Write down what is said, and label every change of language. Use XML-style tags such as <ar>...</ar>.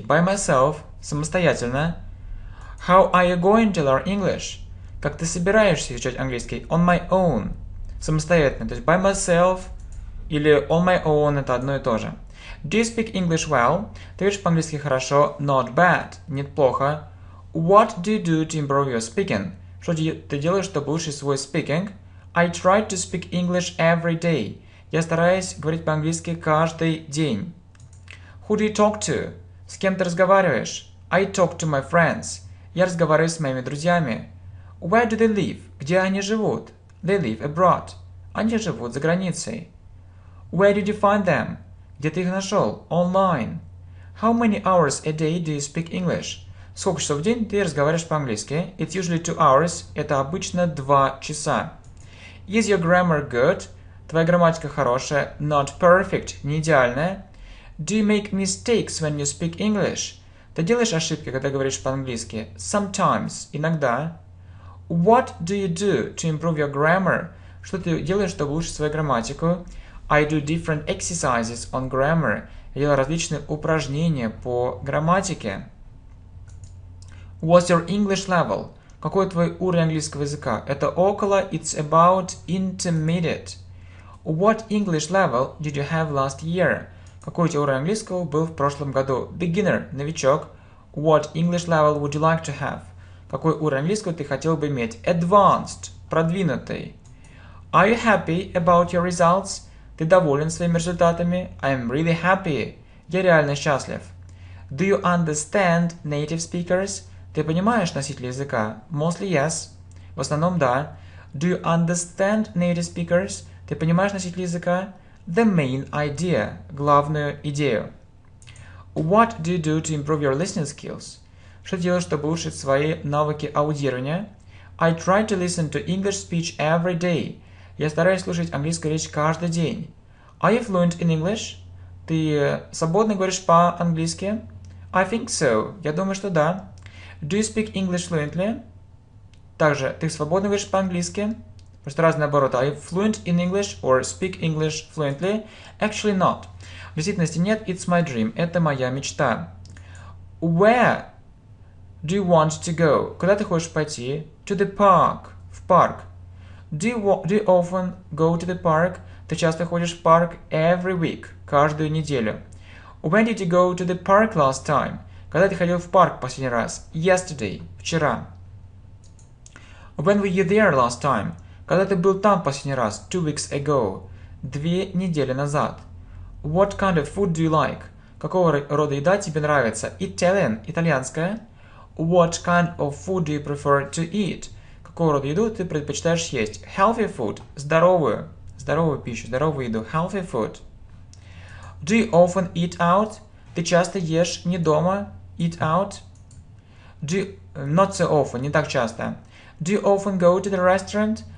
<en>By myself,</en> <ru>самостоятельно.</ru> <en>How are you going to learn English?</en> <ru>Как ты собираешься изучать английский?</ru> <en>On my own,</en> <ru>самостоятельно. То есть</ru> <en>by myself</en> <ru>или</ru> <en>on my own</en> <ru>— это одно и то же.</ru> <en>Do you speak English well?</en> <ru>Ты говоришь по-английски хорошо.</ru> <en>Not bad,</en> <ru>неплохо.</ru> <en>What do you do to improve your speaking?</en> <ru>Что ты делаешь, чтобы улучшить свой speaking?</ru> <en>I try to speak English every day.</en> <ru>Я стараюсь говорить по-английски каждый день.</ru> <en>Who do you talk to?</en> <ru>С кем ты разговариваешь?</ru> <en>I talk to my friends.</en> <ru>Я разговариваю с моими друзьями.</ru> <en>Where do they live?</en> <ru>Где они живут?</ru> <en>They live abroad.</en> <ru>Они живут за границей.</ru> <en>Where did you find them?</en> <ru>Где ты их нашел?</ru> <en>Online. How many hours a day do you speak English?</en> <ru>Сколько часов в день ты разговариваешь по-английски?</ru> <en>It's usually 2 hours.</en> <ru>Это обычно 2 часа.</ru> <en>Is your grammar good?</en> <ru>Твоя грамматика хорошая.</ru> <en>Not perfect.</en> <ru>Не идеальная.</ru> <en>Do you make mistakes when you speak English?</en> <ru>Ты делаешь ошибки, когда говоришь по-английски?</ru> <en>Sometimes.</en> <ru>Иногда.</ru> <en>What do you do to improve your grammar?</en> <ru>Что ты делаешь, чтобы улучшить свою грамматику?</ru> <en>I do different exercises on grammar.</en> <ru>Я делаю различные упражнения по грамматике.</ru> <en>What's your English level?</en> <ru>Какой твой уровень английского языка? Это около,</ru> <en>it's about, intermediate. What English level did you have last year?</en> <ru>Какой у тебя уровень английского был в прошлом году?</ru> <en>Beginner,</en> <ru>новичок.</ru> <en>What English level would you like to have?</en> <ru>Какой уровень английского ты хотел бы иметь?</ru> <en>Advanced,</en> <ru>продвинутый.</ru> <en>Are you happy about your results?</en> <ru>Ты доволен своими результатами?</ru> <en>I'm really happy.</en> <ru>Я реально счастлив.</ru> <en>Do you understand native speakers?</en> <ru>Ты понимаешь носителей языка?</ru> <en>Mostly yes.</en> <ru>В основном да.</ru> <en>Do you understand native speakers?</en> <ru>Ты понимаешь носителей языка?</ru> <en>The main idea.</en> <ru>Главную идею.</ru> <en>What do you do to improve your listening skills?</en> <ru>Что делаешь, чтобы улучшить свои навыки аудирования?</ru> <en>I try to listen to English speech every day.</en> <ru>Я стараюсь слушать английскую речь каждый день.</ru> <en>Are you fluent in English?</en> <ru>Ты свободно говоришь по-английски?</ru> <en>I think so.</en> <ru>Я думаю, что да.</ru> <en>Do you speak English fluently?</en> <ru>Также, ты свободно говоришь по-английски? Просто раз наоборот.</ru> <en>Are you fluent in English or speak English fluently? Actually not.</en> <ru>В действительности нет.</ru> <en>It's my dream.</en> <ru>Это моя мечта.</ru> <en>Where do you want to go?</en> <ru>Куда ты хочешь пойти?</ru> <en>To the park.</en> <ru>В парк.</ru> <en>Do you often go to the park?</en> <ru>Ты часто ходишь в парк</ru> <en>every week.</en> <ru>Каждую неделю.</ru> <en>When did you go to the park last time?</en> <ru>Когда ты ходил в парк последний раз?</ru> <en>Yesterday.</en> <ru>Вчера.</ru> <en>When were you there last time?</en> <ru>Когда ты был там последний раз?</ru> <en>2 weeks ago.</en> <ru>2 недели назад.</ru> <en>What kind of food do you like?</en> <ru>Какого рода еда тебе нравится?</ru> <en>Italian.</en> <ru>Итальянская.</ru> <en>What kind of food do you prefer to eat?</en> <ru>Какого рода еду ты предпочитаешь есть?</ru> <en>Healthy food.</en> <ru>Здоровую. Здоровую пищу. Здоровую еду. Healthy food.</ru> <en>Do you often eat out?</en> <ru>Ты часто ешь не дома?</ru> <en>Eat out. Not so often.</en> <ru>Не так часто.</ru> <en>Do you often go to the restaurant?</en>